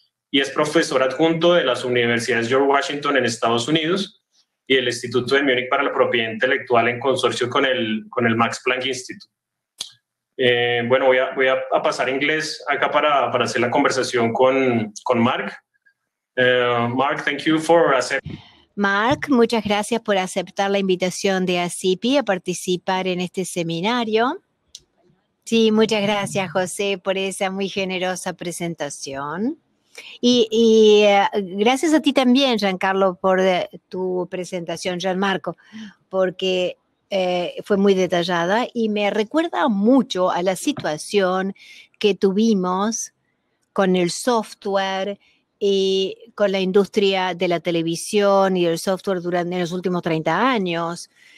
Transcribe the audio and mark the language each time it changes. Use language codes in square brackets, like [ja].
[es] y es profesor adjunto de las universidades George Washington en Estados Unidos y el Instituto de Múnich para la Propiedad Intelectual en consorcio con el Max Planck Institute. Bueno, voy a pasar a inglés acá para hacer la conversación con Mark. [en] Mark, thank you for accepting. [es] Mark, muchas gracias por aceptar la invitación de ACIPI a participar en este seminario. Sí, muchas gracias, José, por esa muy generosa presentación. Y gracias a ti también, Giancarlo, por tu presentación, Gianmarco, porque fue muy detallada y me recuerda mucho a la situación que tuvimos con el software y con la industria de la televisión y el software durante los últimos 30 años.